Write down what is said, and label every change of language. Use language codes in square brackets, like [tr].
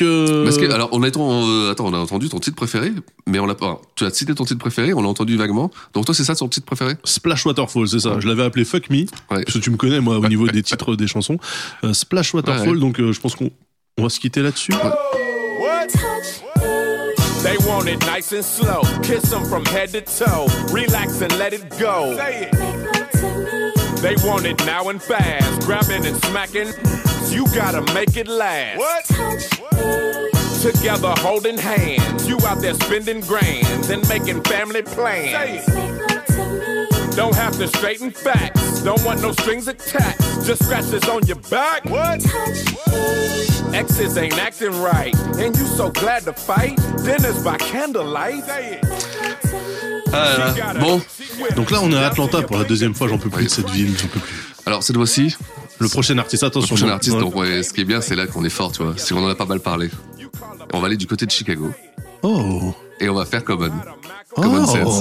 [fr] Alors, on a entendu ton titre préféré, mais on l'a pas... Tu as cité ton titre préféré, on l'a entendu vaguement, donc toi c'est ça ton titre préféré ? Splash Waterfall, c'est ça, je l'avais appelé Fuck Me, parce que tu me connais moi au niveau des titres des chansons. Splash Waterfall, donc je pense qu'on va se quitter là-dessus. Ouais. [en] They want it nice and slow. Kiss them from head to toe. Relax and let it go. Say it. They want it now and fast. Grabbing and smacking. You gotta make it last. What? Together holding hands. You out there spending grand and making family plans. Say it. Don't have to straighten facts. Don't want no strings attached. Just scratches on your back. What? Exes ain't acting right. And you so glad to fight. Dinner's by candlelight. [fr] Bon. Donc là, on est à Atlanta pour la deuxième fois. J'en peux plus de cette ville. J'en peux plus. Alors, cette fois-ci. Le prochain artiste, attention. Le prochain artiste, donc, ouais, ce qui est bien, c'est là qu'on est fort, tu vois. Si on en a pas mal parlé. On va aller du côté de Chicago. Oh. Et on va faire Common. Common Sense.